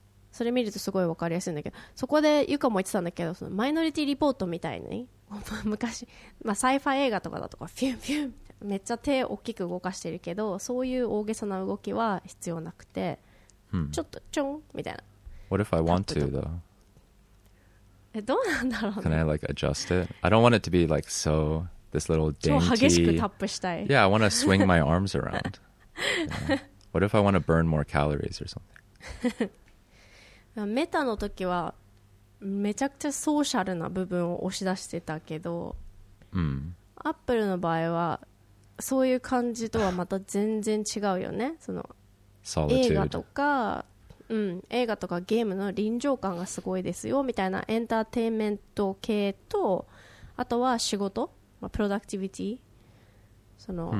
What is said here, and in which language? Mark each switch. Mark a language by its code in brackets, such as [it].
[ja] それ見るとすごい分かりやすいんだけど、そこでゆかも言ってたんだけど、そのマイノリティリポートみたいに昔、まあ、サイファー映画とかだとかフィュンフィュンめっちゃ手大きく動かしてるけど、そういう大げさな動きは必要なくて、うん、ちょっとチョンみたいな。 [en] What if I want to though? [ja] え、どうなんだろう、ね、 [en] Can I like adjust it? I don't want it to be like so this little dainty. [ja] 超激しくタップしたい。 [en] Yeah, I want to swing my arms around. What if I want to burn more calories or something [ja] メタの時はめちゃくちゃソーシャルな部分を押し出してたけど、うん、アップルの場合はそういう感じとはまた全然違うよね。その映画とか、うん、映画とかゲームの臨場感がすごいですよみたいなエンターテインメント系と、あとは仕事、まあ、プロダクティビティ、その、